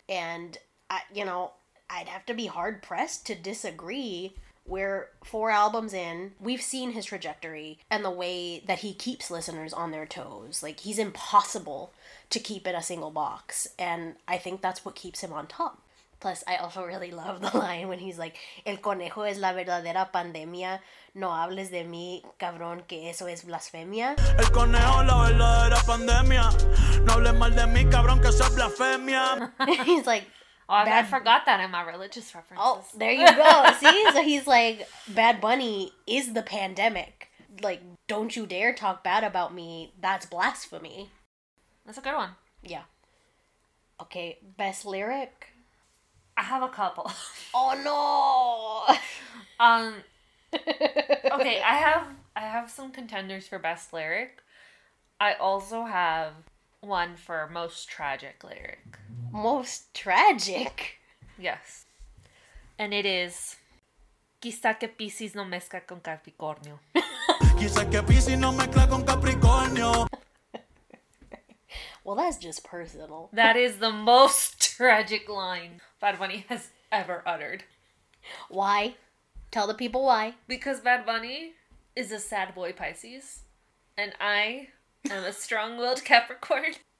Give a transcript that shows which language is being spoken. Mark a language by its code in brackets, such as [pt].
[en] And, I'd have to be hard-pressed to disagree. We're 4 albums in, we've seen his trajectory and the way that he keeps listeners on their toes. Like, he's impossible to keep in a single box. And I think that's what keeps him on top. Plus, I also really love the line when he's like, [es] El conejo es la verdadera pandemia. No hables de mí, cabrón, que eso es blasfemia. El conejo la verdadera pandemia. No hables mal de mí, cabrón, que eso es blasfemia. [en] He's like... Oh, I forgot that in my religious references. Oh, there you go. See? So he's like, Bad Bunny is the pandemic. Like, don't you dare talk bad about me. That's blasphemy. That's a good one. Yeah. Okay, best lyric? I have a couple. Oh, no! Okay, I have some contenders for best lyric. I also have one for most tragic lyric. Most tragic? Yes. And it is... [es] Quizá que Pisces no mezcla con Capricornio. Quizá que Pisces no mezcla con Capricornio. [en] Well, that's just personal. That is the most tragic line Bad Bunny has ever uttered. Why? Tell the people why. Because Bad Bunny is a sad boy Pisces. And I am a strong-willed Capricorn.